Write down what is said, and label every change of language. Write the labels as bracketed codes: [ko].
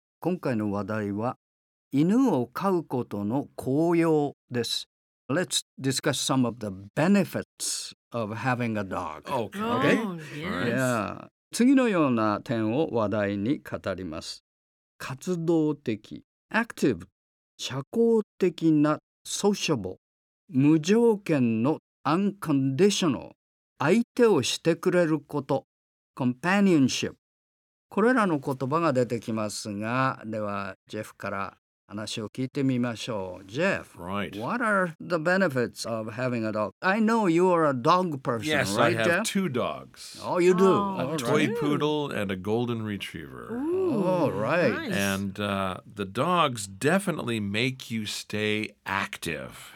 [ja] 今回の話題は犬を飼うことの効用です。 [en] Let's discuss some of the benefits of having a dog. Okay. Oh, yes. Yeah. [ja] 次のような点を話題に語ります。活動的、active、社交的な、sociable、無条件の、unconditional、相手をしてくれること、companionship。これらの言葉が出てきますが、では、ジェフから話を聞いてみましょう。ジェフ、 [en] right. What are the benefits of having a dog? I know you are a dog person, yes, right, Jeff? Yes, I have two dogs. Oh, you do? A toy poodle and a golden retriever. Oh, right. Nice. And the dogs definitely make you stay active.